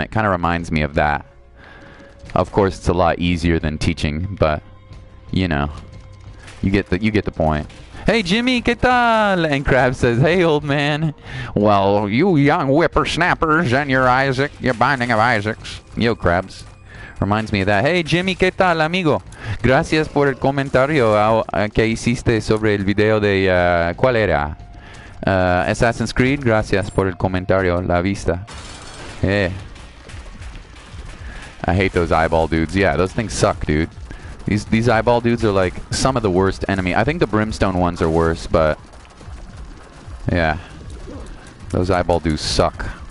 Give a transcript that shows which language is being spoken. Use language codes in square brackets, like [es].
[en] It kind of reminds me of that. Of course, it's a lot easier than teaching, but you know, you get the point. Hey, Jimmy, [es] ¿qué tal? [en] And Crab says, hey, old man. Well, you young whippersnappers and your Isaac, your Binding of Isaacs. Yo, Crabs. Reminds me of that. Hey, Jimmy, [es] ¿qué tal, amigo? Gracias por el comentario que hiciste sobre el video de... ¿Cuál era? Assassin's Creed. Gracias por el comentario. La vista. Eh. [en] I hate those eyeball dudes. Yeah, those things suck, dude. These eyeball dudes are like some of the worst enemy. I think the brimstone ones are worse, but yeah, those eyeball dudes suck.